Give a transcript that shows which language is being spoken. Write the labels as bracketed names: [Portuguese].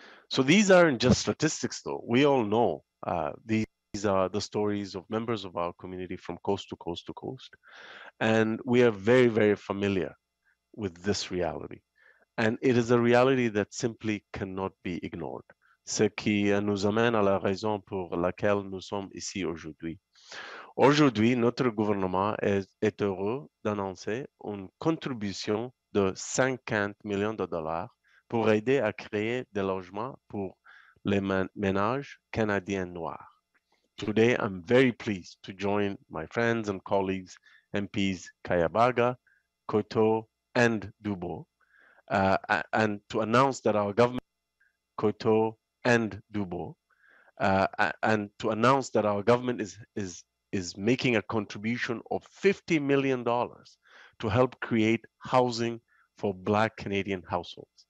[English] So these aren't just statistics, though. We all know these are the stories of members of our community from coast to coast to coast. And we are very, very familiar with this reality. And it is a reality that simply cannot be ignored. [French] Ce qui nous amène à la raison pour laquelle nous sommes ici aujourd'hui. Aujourd'hui, notre gouvernement est heureux d'annoncer une contribution de 50 millions de dollars pour aider à créer des logements pour les ménages canadiens noirs. [English] Today, I'm very pleased to join my friends and colleagues, MPs Kayabaga, Coteau, and Dubourg, and to announce that our government, Coteau and Dubourg, and to announce that our government is making a contribution of $50 million to help create housing for Black Canadian households.